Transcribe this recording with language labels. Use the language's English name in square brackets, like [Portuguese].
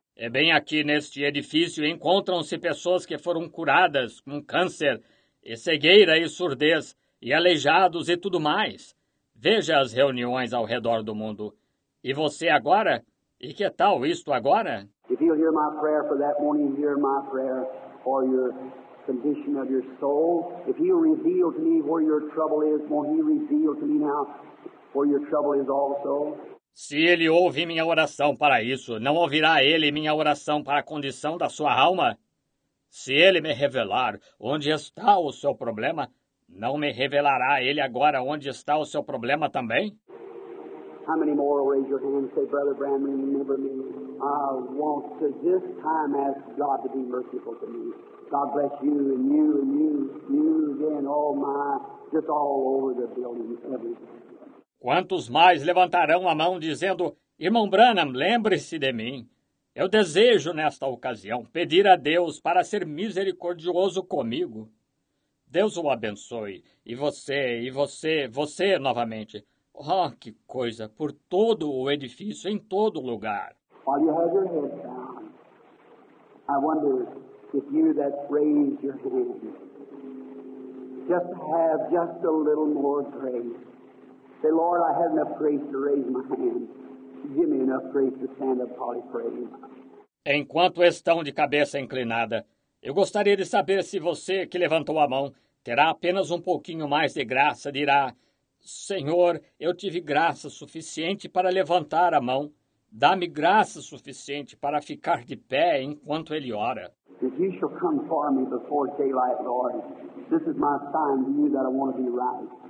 [Portuguese] É bem aqui neste edifício encontram-se pessoas que foram curadas com câncer, e cegueira e surdez, e aleijados e tudo mais. Veja as reuniões ao redor do mundo. E você agora? E que tal isto agora? [English] If you'll hear my prayer for that morning, hear my prayer for your condition of your soul. If he'll reveal to me where your trouble is, won't he reveal to me now where your trouble is also? [Portuguese] Se ele ouve minha oração para isso, não ouvirá ele minha oração para a condição da sua alma? Se ele me revelar onde está o seu problema, não me revelará ele agora onde está o seu problema também? [English] How many more raise your hand and say, Brother Branham, remember me. I want to this time ask God to be merciful to me. God bless you and you and you, you again, oh my, just all over the building, everything. [Portuguese] Quantos mais levantarão a mão dizendo, irmão Branham, lembre-se de mim. Eu desejo, nesta ocasião, pedir a Deus para ser misericordioso comigo. Deus o abençoe. E você, você novamente. Oh, que coisa, por todo o edifício, em todo lugar. [English] While you have your head down, I wonder if you that raised your hand just have just a little more grace. Say, Lord, I have enough grace to raise my hand. Give me enough grace to stand up, Polly, praise. [Portuguese] Enquanto estão de cabeça inclinada, eu gostaria de saber se você, que levantou a mão, terá apenas um pouquinho mais de graça, dirá, Senhor, eu tive graça suficiente para levantar a mão. Dá-me graça suficiente para ficar de pé enquanto ele ora. [English] If you shall come for me before daylight, Lord, this is my sign to you that I want to be right.